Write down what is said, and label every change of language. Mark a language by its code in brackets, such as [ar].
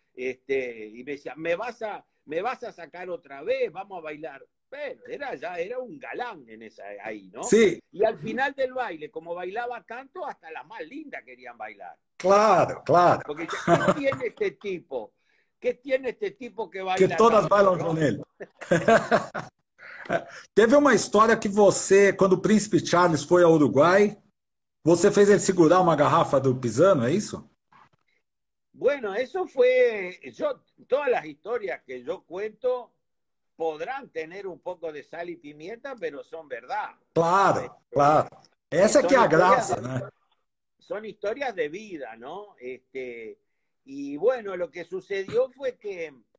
[es] Y me decía, me vas a sacar otra vez, vamos a bailar. Pero era un galán en esa ahí, ¿no? Sí. Y al final del baile, como bailaba tanto, hasta la más linda querían bailar. Claro, claro. Porque ya, ¿qué tiene este tipo? ¿Qué tiene este tipo que baila? Que todas bailan con él. [pt] Teve uma história que você, quando o Príncipe Charles foi ao Uruguai, você fez ele segurar uma garrafa do Pisano, é isso? [es] Bueno, eso fue... todas las historias que yo cuento podrán tener un poco de sal y pimienta, pero son verdad. Claro, claro. Esa que es la gracia, ¿no? Son historias de vida, ¿no? Y bueno, lo que sucedió fue que...